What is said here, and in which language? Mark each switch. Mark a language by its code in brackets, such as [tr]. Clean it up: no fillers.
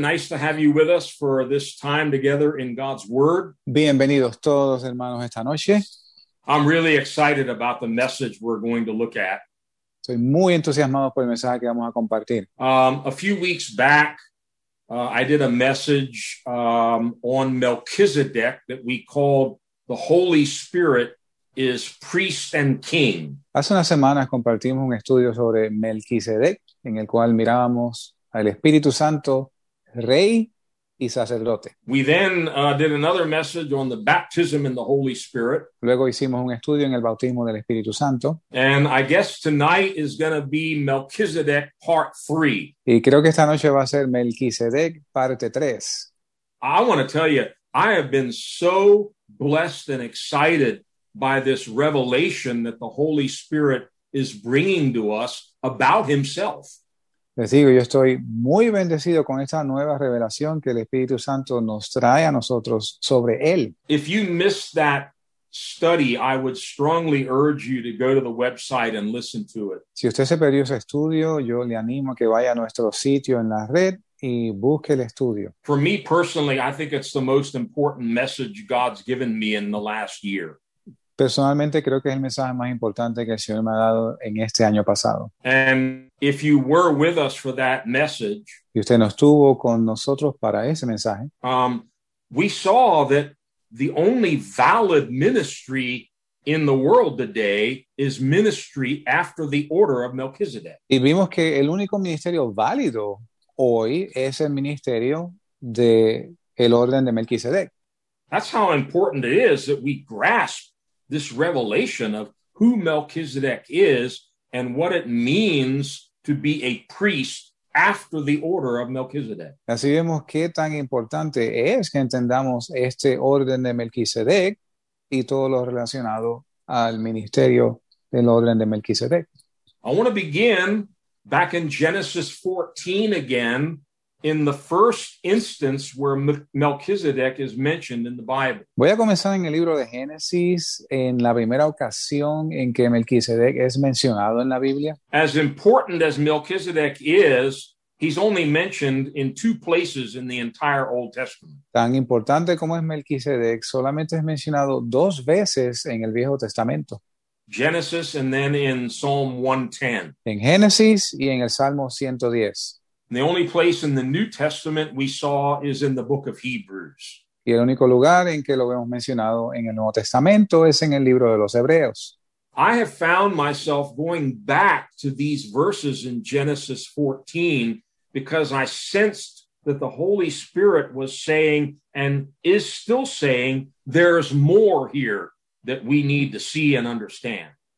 [en] Nice to have you with us for this time together in God's Word. [es] Bienvenidos todos, hermanos, esta noche. [en] I'm really excited about the message we're going to look at. [es] Estoy muy entusiasmado por el mensaje que vamos a compartir. [en] A few weeks back, I did a message on Melchizedek that we called "The Holy Spirit is Priest and King." [es] Hace unas semanas compartimos un estudio sobre Melquisedec, en el cual mirábamos al Espíritu Santo, Rey y Sacerdote. [en] We then did another message on the baptism in the Holy Spirit. [es] Luego hicimos un estudio en el bautismo del Espíritu Santo. [en] And I guess tonight is going to be Melchizedek part 3. [es] Y creo que esta noche va a ser Melquisedec parte 3. [en] I want to tell you, I have been so blessed and excited by this revelation that the Holy Spirit is bringing to us about himself. [es] Les digo, yo estoy muy bendecido con esta nueva revelación que el Espíritu Santo nos trae a nosotros sobre Él. [en] If you missed that study, I would strongly urge you to go to the website and listen to it. [es] Si usted se perdió ese estudio, yo le animo a que vaya a nuestro sitio en la red y busque el estudio. [en] For me personally, I think it's the most important message God's given me in the last year. [es] Personalmente, creo que es el mensaje más importante que el Señor me ha dado en este año pasado. [en] And if you were with us for that message, [es] y usted no estuvo con nosotros para ese mensaje, [en] we saw that the only valid ministry in the world today is ministry after the order of Melchizedek. [es] Y vimos que el único ministerio válido hoy es el ministerio de el orden de Melquisedec. [en] That's how important it is that we grasp this revelation of who Melchizedek is and what it means to be a priest after the order of Melchizedek. [es] Así vemos qué tan importante es que entendamos este orden de Melquisedec y todo lo relacionado al ministerio del orden de Melquisedec. [en] I want to begin back in Genesis 14 again, in the first instance where Melchizedek is mentioned in the Bible. [es] Voy a comenzar en el libro de Génesis, en la primera ocasión en que Melquisedec es mencionado en la Biblia. [en] As important as Melchizedek is, he's only mentioned in two places in the entire Old Testament. [es] Tan importante como es Melquisedec, solamente es mencionado dos veces en el Viejo Testamento. [en] Genesis and then in Psalm 110. [es] En Génesis y en el Salmo 110. [en] The only place in the New Testament we saw is in the book of Hebrews. [es] Y el único lugar en que lo hemos mencionado en el Nuevo Testamento es en el libro de los Hebreos. [en] I have found myself going back to these verses in Genesis 14 because I sensed that the Holy Spirit was saying and is still saying there's more here that we need to see and understand.